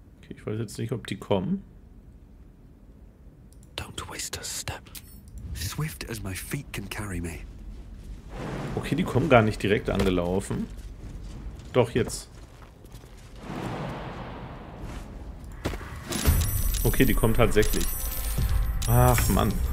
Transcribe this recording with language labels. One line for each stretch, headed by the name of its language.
German: Ich weiß jetzt nicht, ob die kommen.
English: Don't waste a step. Swift as my feet can carry me.
German: Okay, die kommen gar nicht direkt angelaufen. Doch, jetzt. Okay, die kommen tatsächlich. Ach, Mann.